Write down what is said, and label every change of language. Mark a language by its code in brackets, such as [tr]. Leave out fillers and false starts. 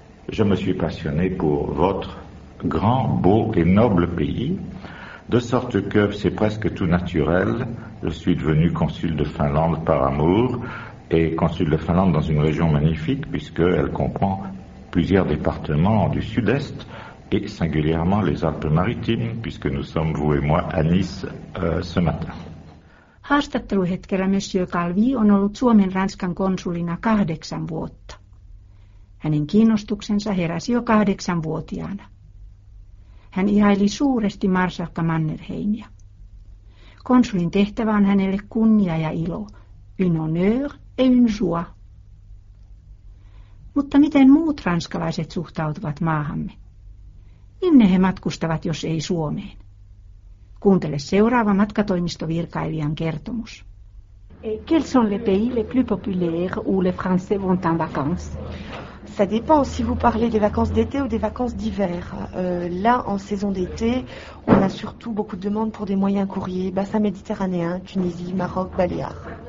[fr] je me suis passionné pour votre grand, beau et noble pays, de sorte que c'est presque tout naturel, je suis devenu consul de Finlande par amour, et consul de Finlande dans une région magnifique, puisqu'elle comprend plusieurs départements du sud-est, et singulièrement les Alpes-Maritimes, puisque nous sommes, vous et moi, à Nice ce matin. [fi] Haastatteluhetkellä Monsieur Calvi on ollut Suomen Ranskan konsulina 8 vuotta. Hänen kiinnostuksensa heräsi jo 8-vuotiaana. Hän ihaili suuresti marsalkka Mannerheimia. Konsulin tehtävä on hänelle kunnia ja ilo, [fr] une honneur et une joie. [fi] Mutta miten muut ranskalaiset suhtautuvat maahamme? Minne he matkustavat, jos ei Suomeen? Kuuntele seuraava matkatoimistovirkailijan kertomus. [fr] Quels sont les pays les plus populaires où les Français vont en vacances? Ça dépend si vous parlez des vacances d'été ou des vacances d'hiver. Là, en saison d'été, on a surtout beaucoup de demandes pour des moyens courriers, bassin méditerranéen, Tunisie, Maroc, Baléares.